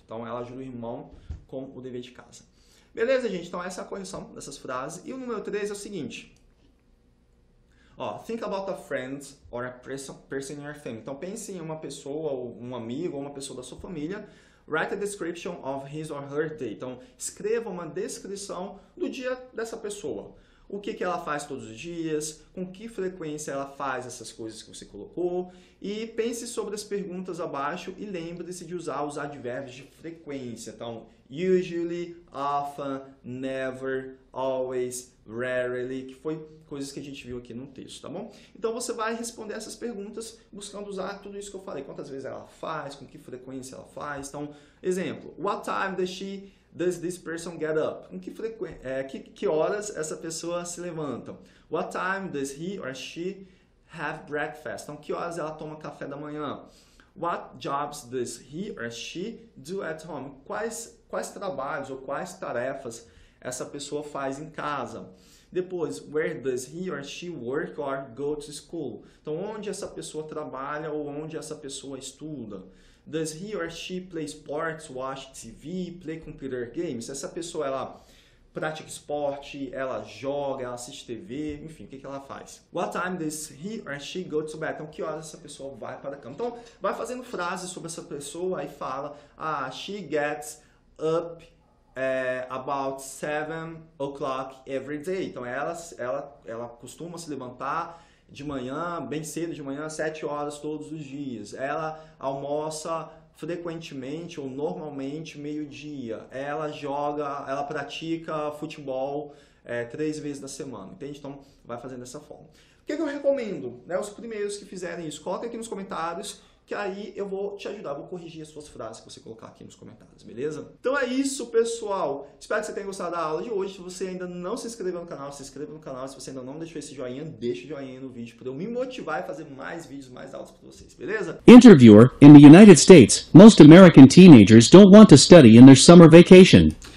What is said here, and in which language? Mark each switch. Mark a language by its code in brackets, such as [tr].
[pt] Então, ela ajuda o irmão com o dever de casa. Beleza, gente? Então, essa é a correção dessas frases. E o número 3 é o seguinte. [en] Ó, think about a friend or a person in your family. [pt] Então, pense em uma pessoa, ou um amigo, ou uma pessoa da sua família. [en] Write a description of his or her day. [pt] Então, escreva uma descrição do dia dessa pessoa. O que ela faz todos os dias, com que frequência ela faz essas coisas que você colocou. E pense sobre as perguntas abaixo e lembre-se de usar os advérbios de frequência. Então, [en] usually, often, never, always, rarely, [pt] que foi coisas que a gente viu aqui no texto, tá bom? Então, você vai responder essas perguntas buscando usar tudo isso que eu falei. Quantas vezes ela faz, com que frequência ela faz. Então, exemplo, [en] what time does she... Does this person get up? [pt] Com que frequência? Que horas essa pessoa se levanta? [en] What time does he or she have breakfast? [pt] Então, que horas ela toma café da manhã? [en] What jobs does he or she do at home? [pt] Quais trabalhos ou quais tarefas essa pessoa faz em casa? [en] Depois, where does he or she work or go to school? [pt] Então, onde essa pessoa trabalha ou onde essa pessoa estuda? [en] Does he or she play sports, watch TV, play computer games? [pt] Essa pessoa, ela pratica esporte, ela joga, ela assiste TV, enfim, o que ela faz? [en] What time does he or she go to bed? [pt] Então, que horas essa pessoa vai para a cama? Então, vai fazendo frases sobre essa pessoa e fala, ah, [en] she gets up about 7 o'clock every day. [pt] Então, ela costuma se levantar de manhã, bem cedo de manhã, 7 horas todos os dias. Ela almoça frequentemente ou normalmente meio-dia. Ela joga, ela pratica futebol 3 vezes na semana. Entende? Então, vai fazendo dessa forma. O que eu recomendo? Né, os primeiros que fizerem isso, coloquem aqui nos comentários, que aí eu vou te ajudar, vou corrigir as suas frases que você colocar aqui nos comentários, beleza? Então é isso, pessoal. Espero que você tenha gostado da aula de hoje. Se você ainda não se inscreveu no canal, se inscreva no canal. Se você ainda não deixou esse joinha, deixa o joinha no vídeo para eu me motivar a fazer mais vídeos, mais aulas para vocês, beleza? [en] Interviewer, in the United States, most American teenagers don't want to study in their summer vacation.